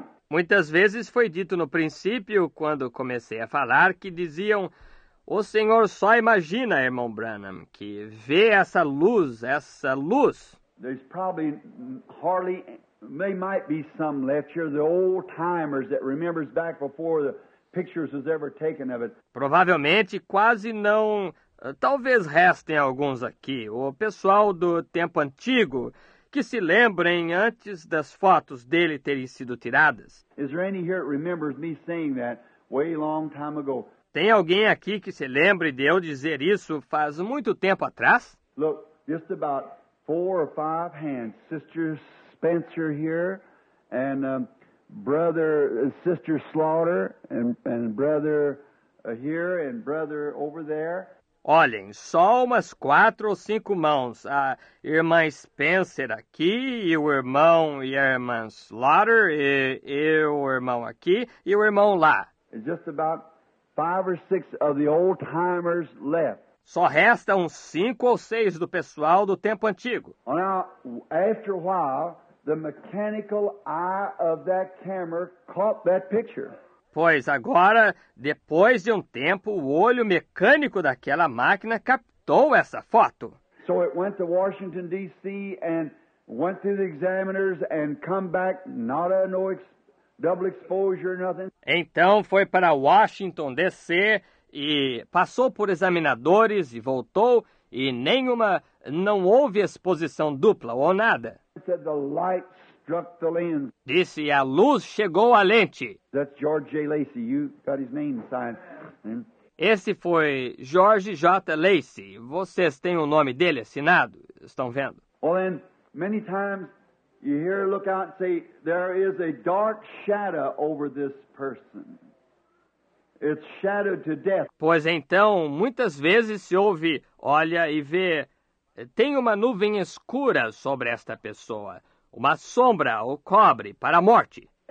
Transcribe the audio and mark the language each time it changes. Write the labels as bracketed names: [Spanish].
[Portuguese] Muitas vezes foi dito no princípio, quando comecei a falar, que diziam, o senhor só imagina, irmão Branham, que vê essa luz. [English] There's probably hardly, there might be some left here, the old timers that remembers back before the pictures was ever taken of it. [Portuguese] Provavelmente quase não, talvez restem alguns aqui, o pessoal do tempo antigo, que se lembrem antes das fotos dele terem sido tiradas. [English] Is there any here that remembers me saying that way long time ago? [Portuguese] Tem alguém aqui que se lembre de eu dizer isso faz muito tempo atrás? [English] Look, just about four or five hands. Sister Spencer here, and brother, Sister Slaughter, and brother here, and brother over there. [Portuguese] Olhem, só umas quatro ou cinco mãos, a irmã Spencer aqui, e o irmão e a irmã Slaughter, e o irmão aqui, e o irmão lá. [English] Just about five or six of the old-timers left. [Portuguese] Só resta uns cinco ou seis do pessoal do tempo antigo. [English] Now, after a while, the mechanical eye of that camera caught that picture. [Portuguese] Pois agora, depois de um tempo, o olho mecânico daquela máquina captou essa foto. [English] So it went to Washington, D.C. and went to the examiners and come back, not a no double exposure, nothing. [Portuguese] Então foi para Washington, D.C. e passou por examinadores e voltou e nenhuma, não houve exposição dupla ou nada. [English] It said the light struck the lens. [Portuguese] Disse, a luz chegou à lente. [English] That's George J. Lacey. You got his name signed. [Portuguese] Esse foi George J. Lacey. Vocês têm o nome dele assinado? Estão vendo? [English] Well, then, many times you hear, look out and say, there is a dark shadow over this person. It's shadowed to death. [Portuguese] Pois então, muitas vezes se ouve, olha e vê, tem uma nuvem escura sobre esta pessoa. Uma sombra o cobre para a morte.